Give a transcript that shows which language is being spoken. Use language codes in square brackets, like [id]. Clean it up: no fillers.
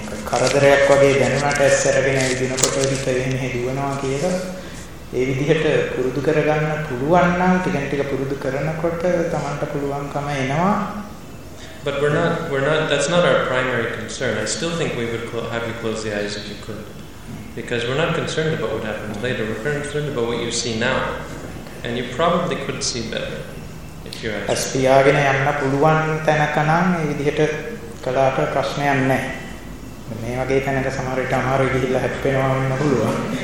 [si] කරදරයක් වගේ දැනුණාට ඇස් ඇරගෙන ඉදිනකොට විතරේනේ දුවනවා කියලා ඒ විදිහට පුරුදු කරගන්න පුළුවන් නම් ටිකෙන් ටික පුරුදු කරනකොට තමන්ට පුළුවන්කම එනවා. [en] But we're not that's not our primary concern. I still think we would have you close the eyes if you could, because we're not concerned about what happens later. We're concerned about what you see now, and you probably could see better if you're actually [si] ඇස් පියාගෙන යන්න පුළුවන් තැනක නම් ඒ විදිහට කළාට ප්‍රශ්නයක් නැහැ. මේ වගේ තැනක සමහර විට අමාරු ගිහිල්ලා හැප්පෙනවා වෙන්න පුළුවන්.